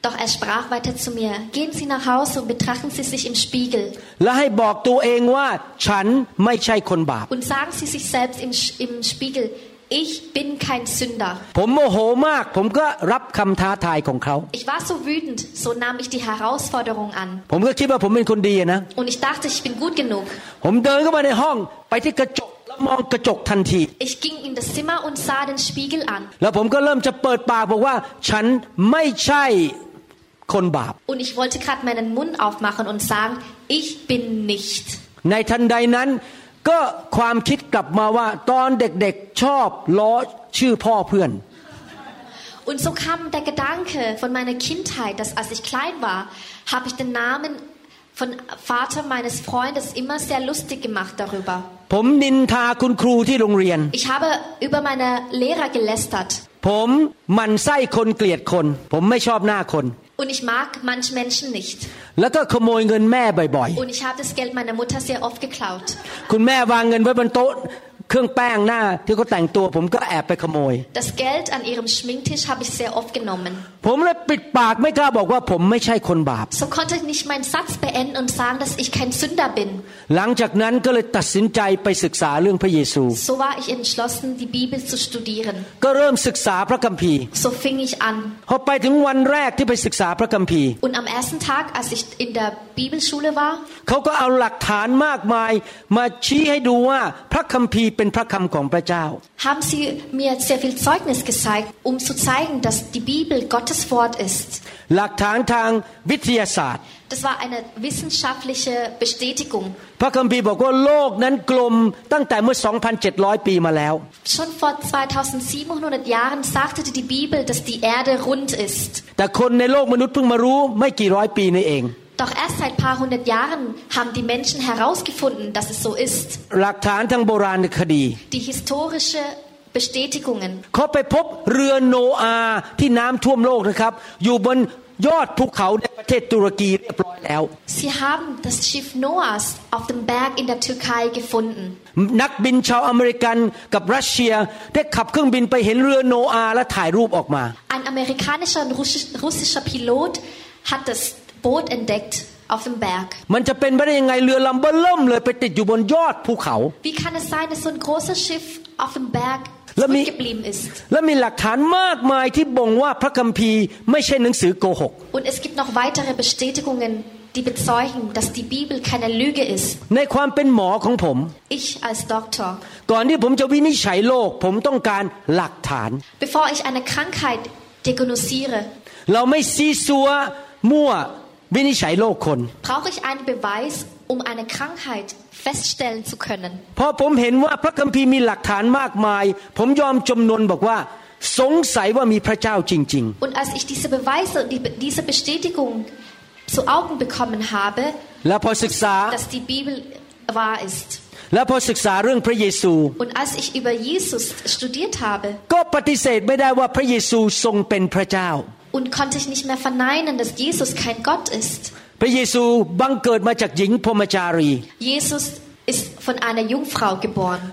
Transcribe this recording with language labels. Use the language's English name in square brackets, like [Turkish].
[German] Doch er sprach weiter zu mir Gehen Sie nach Hause und betrachten Sie sich im Spiegel [Thai] และให้บอกตัวเองว่าฉันไม่ใช่คนบาป [German] Und sagen Sie sich selbst im Spiegel Ich bin kein Sünder [Thai] ผมโมโหมากผมก็รับคำท้าทายของเขา [German] Ich war so wütend so nahm ich die Herausforderung an [Thai] ผมก็คิดว่าผมเป็นคนดีนะ [German] Und ich dachte ich bin gut genug [Thai] ผมเดินเข้ามาในห้องไปที่กระจกแล้วมองกระจกทันที [German] Ich ging in das Zimmer und sah den Spiegel an [Thai] แล้วผมก็เริ่มจะเปิดปากบอกว่าฉันไม่ใช่คนบาป [German] Und ich wollte gerade meinen Mund aufmachen und sagen ich bin nicht [Thai] ในทันใดนั้นก็ความคิดกลับมาว่าตอนเด็กๆชอบล้อชื่อพ่อเพื่อน [German] Und so kam der Gedanke von meiner Kindheit dass als ich klein war habe ich den NamenVon Vater meines Freundes immer sehr lustig gemacht darüber. [Thai] ผมนินทาคุณครูที่โรงเรียน [German] Ich habe über meine Lehrer gelästert. [Thai] ผมมันไส้คนเกลียดคนผมไม่ชอบหน้าคน [German] Und ich mag manche Menschen nicht. [Thai] แล้วก็ขโมยเงินแม่บ่อย [German] ๆ Und ich habe das Geld meiner Mutter sehr oft geklaut. [Thai] คุณแม่วางเงินไว้บนโต๊ะเครื่องแป้งหน้าที่เขาแต่งตัวผมก็แอบไปขโมย [German] Das Geld an ihrem Schminktisch habe ich sehr oft genommen. [Thai] ผมเลยปิดปากไม่กล้าบอกว่าผมไม่ใช่คนบาป [German] So konnte ich nicht meinen Satz beenden und sagen, dass ich kein Sünder bin. [Thai] หลังจากนั้นก็เลยตัดสินใจไปศึกษาเรื่องพระเยซู [German] So war ich entschlossen, die Bibel zu studieren. [Thai] ก็เริ่มศึกษาพระคัมภีร์ [German] So fing ich an. [Thai] พอไปถึงวันแรกที่ไปศึกษาพระคัมภีร์ [German] Und am ersten Tag, als ich in der Bibelschule war, [Thai] เขาก็เอาหลักฐานมากมายมาชี้ให้ดูว่าพระคัมภีร์เป็นพระคำของพระเจ้า [German] Haben Sie mir sehr viel Zeugnis gezeigt, um zu zeigen, dass die Bibel Gottes Wort ist. [Thai] หลักฐานทางวิทยาศาสตร์ [German] Das war eine wissenschaftliche Bestätigung. [Thai] พระคัมภีร์บอกว่าโลกนั้นกลมตั้งแต่เมื่อ 2,700 ปีมาแล้ว [German] Schon vor 2700 Jahren sagte die Bibel, dass die Erde rund ist. [Thai] แต่คนในโลกมนุษย์เพิ่งมารู้ไม่กี่ร้อยปีนี่เอง [German] Doch erst seit ein paar hundert Jahren haben die Menschen herausgefunden, dass es so ist. [Thai] หลักฐานทางโบราณคดี [German] Die historische Bestätigungen. [Thai] เขาไปพบเรือโนอาที่น้ำท่วมโลกนะครับอยู่บนยอดภูเขาในประเทศตุรกีเรียบร้อยแล้ว [German] Sie haben das Schiff Noahs auf dem Berg in der Türkei gefunden. [Thai] นักบินชาวอเมริกันกับรัสเซียได้ขับเครื่องบินไปเห็นเรือโนอาและถ่ายรูปออกมา [German] Ein amerikanischer und russischer Pilot hat das Boot entdeckt auf dem Berg. [Thai] มันจะเป็นไปได้ยังไงเรือลำเบิ่มเลยไปติดอยู่บนยอดภูเขา [German] Wie kann es sein, dass so ein großes Schiff auf dem Berg zurückgeblieben ist? [Thai] และมีหลักฐานมากมายที่บ่งว่าพระคัมภีร์ไม่ใช่หนังสือโกหก [German] Und es gibt noch weitere Bestätigungen, die bezeugen, dass die Bibel keine Lüge ist. [Thai] ในความเป็นหมอของผม [German] Ich als Doktor. [Thai] ก่อนที่ผมจะวินิจฉัยโรคผมต้องการหลักฐาน [German] Bevor ich eine Krankheit diagnostiziere. [Thai] เราไม่ซีซัวมั่ววินิจฉัยโรคคน [German] Brauche ich einen Beweis, um eine Krankheit feststellen zu können? [Thai] พอผมเห็นว่าพระคัมภีร์มีหลักฐานมากมายผมยอมจำนนบอกว่าสงสัยว่ามีพระเจ้าจริง [German] ๆ Und als ich diese Beweise, diese Bestätigung zu Augen bekommen habe, dass die Bibel wahr ist. [Thai] และพอศึกษาเรื่องพระเยซู [German] Und als ich über Jesus studiert habe, [Thai] ก็ปฏิเสธไม่ได้ว่าพระเยซูทรงเป็นพระเจ้า [German] Und konnte ich nicht mehr verneinen, dass Jesus kein Gott ist. [Thai] พระเยซูบังเกิดมาจากหญิงพรหมจารี [German] Jesus ist von einer Jungfrau geboren.